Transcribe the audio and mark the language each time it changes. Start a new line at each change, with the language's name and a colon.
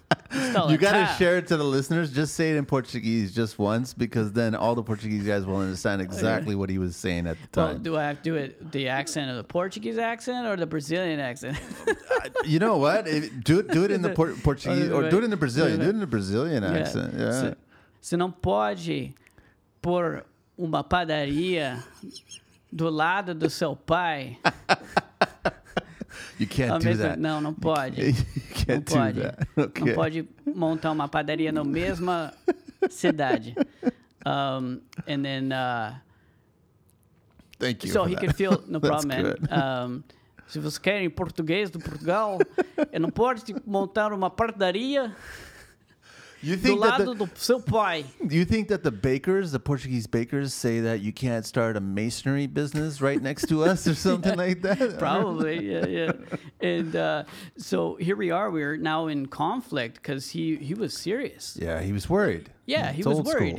English: You got to share it to the listeners. Just say it in Portuguese just once, because then all the Portuguese guys will understand exactly what he was saying at the time. Well, do I have to do it the accent of the Portuguese accent or the Brazilian accent? You know what? Do it in the Portuguese or do it in the Brazilian. Do it in the Brazilian accent. Yeah.
Portuguese: Se não pode pôr uma padaria do lado do seu pai...
English: You can't do that.
Portuguese: Não, não pode.
English: You can't do that. Okay.
Portuguese: Não pode montar uma padaria na mesma cidade.
English: And then... Thank you. So he could feel no problem, man.
Portuguese: Se você quer em português do Portugal, não pode montar uma padaria do lado do seu pai.
English: Do you think that the bakers, the Portuguese bakers, say that you can't start a masonry business right next to us or something like that? Probably, yeah, yeah. And so here we are. We're now in conflict because he was serious. Yeah, he was worried. Yeah, he was worried.